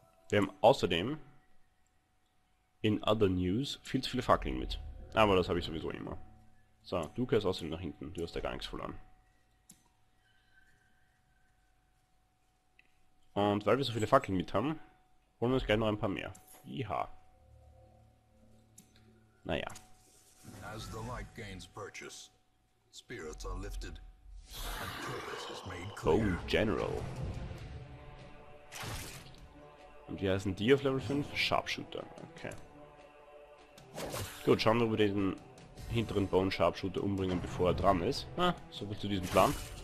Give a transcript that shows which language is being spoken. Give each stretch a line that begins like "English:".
German: Wir haben außerdem in Other News viel zu viele Fackeln mit. Aber das habe ich sowieso immer. So, du gehörst außerdem nach hinten. Du hast ja gar nichts verloren. Und weil wir so viele Fackeln mit haben, holen wir uns gleich noch ein paar mehr. Iha. Naja.
English: As the light gains purchase, spirits are lifted and purpose is made clear. Oh, General.
German: Und wie heißen die auf Level 5? Sharpshooter. Okay. Gut, schauen wir, ob wir den hinteren Bone Sharpshooter umbringen, bevor er dran ist. Na, so viel zu diesem Plan.